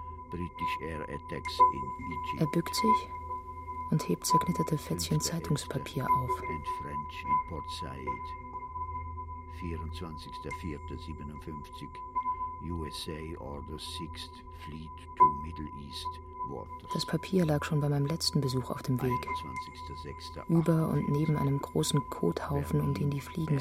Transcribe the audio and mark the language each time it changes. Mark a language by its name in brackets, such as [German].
[English] British Air Attacks in Egypt. [German] Er bückt sich und hebt zerknitterte Fetzchen Zeitungspapier auf. [English] And French in Port Said. 24.04.57. USA Order 6th Fleet to Middle East Waters. [German] Das Papier lag schon bei meinem letzten Besuch auf dem Weg. 21.06. Über und neben einem großen Kothaufen, um den die Fliegen